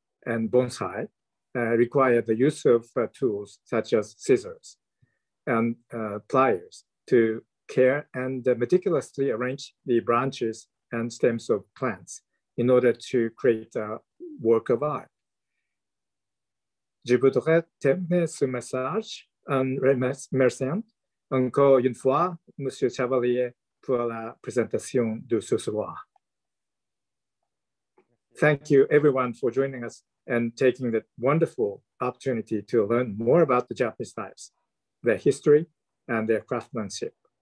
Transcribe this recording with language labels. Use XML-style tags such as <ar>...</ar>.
<en>and bonsai require the use of tools such as scissors and pliers to care and meticulously arrange the branches and stems of plants in order to create a work of art.</en> <fr>Je voudrais terminer ce message en remerciant encore une fois Monsieur Chevallier pour la présentation de ce soir.</fr> <en>Thank you everyone for joining us and taking that wonderful opportunity to learn more about the Japanese knives, their history, and their craftsmanship.</en>